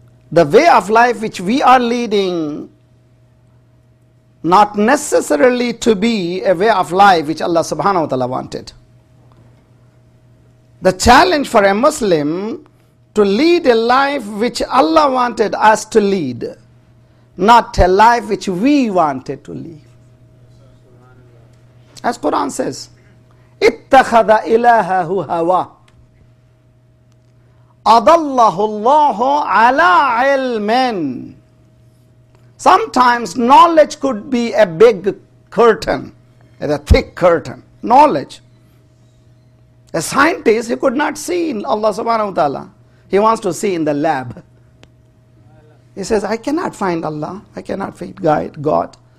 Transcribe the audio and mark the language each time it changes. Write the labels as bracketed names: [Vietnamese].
[English] The way of life which we are leading, not necessarily to be a way of life which Allah subhanahu wa ta'ala wanted. The challenge for a Muslim to lead a life which Allah wanted us to lead, not a life which we wanted to lead. As Quran says, [Arabic] اتَّخَذَ إِلَهَهُ هَوَى أَضَلَّهُ اللَّهُ عَلَىٰ عِلْمٍ. [English] Sometimes knowledge could be a big curtain, a thick curtain, knowledge. A scientist, he could not see in Allah subhanahu wa ta'ala. He wants to see in the lab. He says, I cannot find Allah, I cannot find God.